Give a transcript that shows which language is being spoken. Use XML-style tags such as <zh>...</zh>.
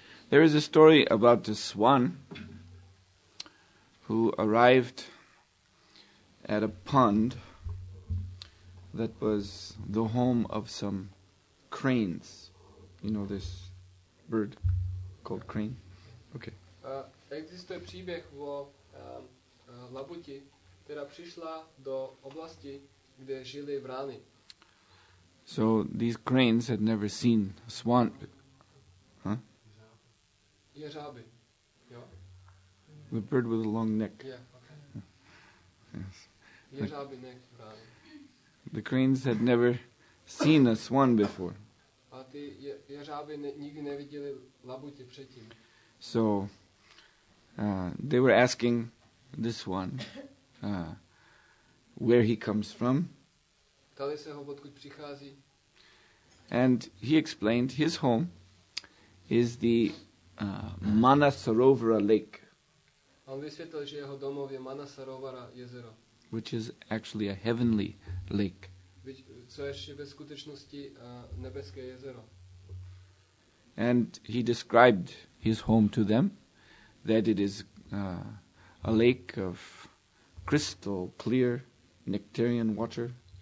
<en>There is a story about a swan who arrived at a pond that was the home of some cranes. You know this bird called crane? Okay.</en> <cs>Existuje příběh o labuti, která přišla do oblasti, kde žili vrany.</cs> <en>So these cranes had never seen a swan.</en> <cs>Jeřáby, jo?</cs> <en>The bird with a long neck. Yeah. Okay. Jeřáby neck, vrány. The cranes had never seen a swan before.</en> <cs>A ty jeřáby nikdy neviděli labuti předtím.</cs> <en>So, they were asking this one, where he comes from.</en> <cs>Ptali se ho, odkud přichází.</cs> <en>And he explained his home is the Manasarovara Lake.</en> <cs>On vysvětlil, že jeho domov je Manasarovara jezero.</cs> <en>Which is actually a heavenly lake.</en> <cs>Co je ve skutečnosti nebeské jezero.</cs> <en>And he described his home to them, that it is a lake of crystal clear nectarian water.</en>